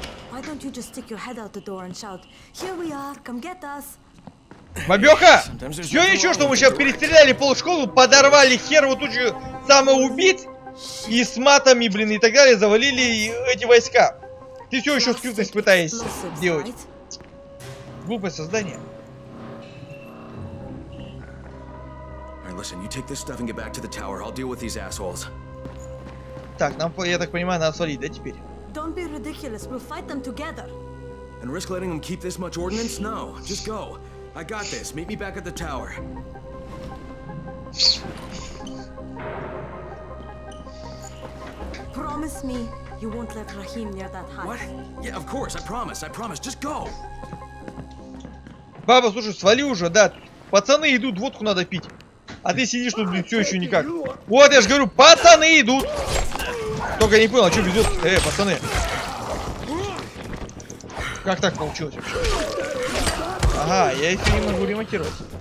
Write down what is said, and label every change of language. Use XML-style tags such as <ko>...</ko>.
<en>Why don't you just stick your head out the door and shout, here we are, come get us?</en> <ru>Бабёха! Всё ничего, что мы сейчас перестреляли полшколу, подорвали хер вот тут же самоубийц и с матами, блин, и так далее, завалили эти войска. Ты всё ещё скрытность пытаешься делать. Глупое создание.</ru> <en>Listen, you take this stuff and get back to the tower. I'll deal with these assholes.</en> <ru>Так, нам, я так понимаю, надо свалить, да, теперь?</ru> <en>Don't be ridiculous. We'll fight them together. And risk letting them keep this much ordnance? No. Just go. I got this. Meet me back at the tower. Promise me you won't let Rahim near that hut. What? Yeah, of course. I promise. Just go.</en> <ru>Баба, слушай, свали уже, да. Пацаны идут, водку надо пить. А ты сидишь тут, блин, все еще никак. Вот, я же говорю, пацаны идут. Только я не понял, а что везет? Пацаны. Как так получилось вообще? Ага, я еще не могу ремонтировать.</ru>